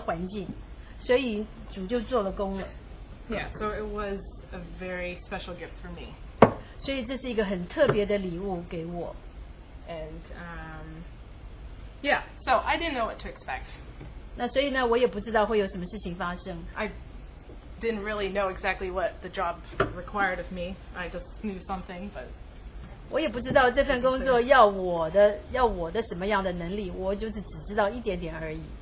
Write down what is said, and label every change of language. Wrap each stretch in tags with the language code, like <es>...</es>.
<zh>对我来说好像是一个礼物，因为呢，我有跟主祷告说我要一个工作，但是呢，我也同时说我想要离开这个地方，离开这个环境，就是要离开这个环境，所以主就做了工了。</zh> <en>Yeah, so it was a very special gift for me.</en> <zh>所以这是一个很特别的礼物给我。</zh> <en>And yeah, so I didn't know what to expect.</en> <zh>那所以呢，我也不知道会有什么事情发生。</zh> <en>I didn't really know exactly what the job required of me. I just knew something, but</en> <zh>我也不知道这份工作要我的什么样的能力，我就是只知道一点点而已。</zh>